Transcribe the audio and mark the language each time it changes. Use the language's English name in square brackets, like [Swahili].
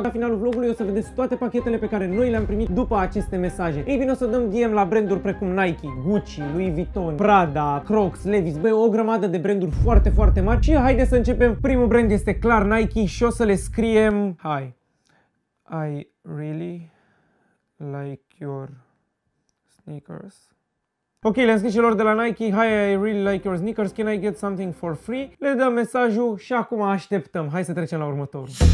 [Romanian] La finalul vlogului o să vedeți toate pachetele pe care noi le-am primit după aceste mesaje. Ei bine, o să dăm DM la branduri precum Nike, Gucci, Louis Vuitton, Prada, Crocs, Levi's, bă, o grămadă de branduri foarte, foarte mari. Și haide să începem. Primul brand este clar Nike și o să le scriem: [English] "Hi. I really like your sneakers." Ok, [Romanian] le-am scris celor de la Nike: [English] "Hi, I really like your sneakers. Can I get something for free?" [Romanian] Le dăm mesajul și acum așteptăm. Hai să trecem la următorul.